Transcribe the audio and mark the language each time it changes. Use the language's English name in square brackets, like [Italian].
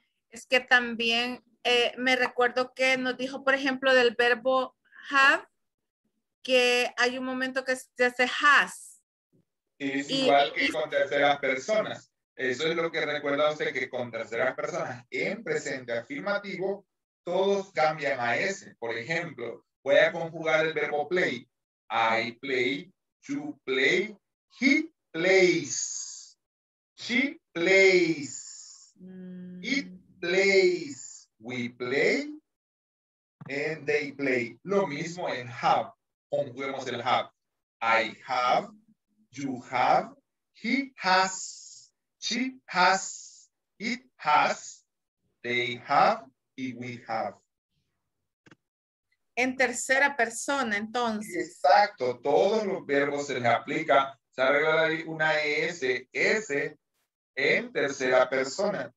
[Spanish] Es que también me recuerdo que nos dijo, por ejemplo, del verbo have, que hay un momento que se hace has. Es igual que con terceras personas. Eso es lo que recuerda usted, que con terceras personas en presente afirmativo, todos cambian a ese. Por ejemplo, voy a conjugar el verbo play. [English] I play, you play, he plays, she plays, it plays, we play, and they play. [Spanish] Lo mismo en [English] have. [Spanish] Conjuguemos el [English] have. I have, you have, he has, she has, it has, they have, [Spanish] y [English] we have. [Spanish] En tercera persona, entonces. Exacto, todos los verbos se les aplica, se arregla ahí una ES en tercera persona.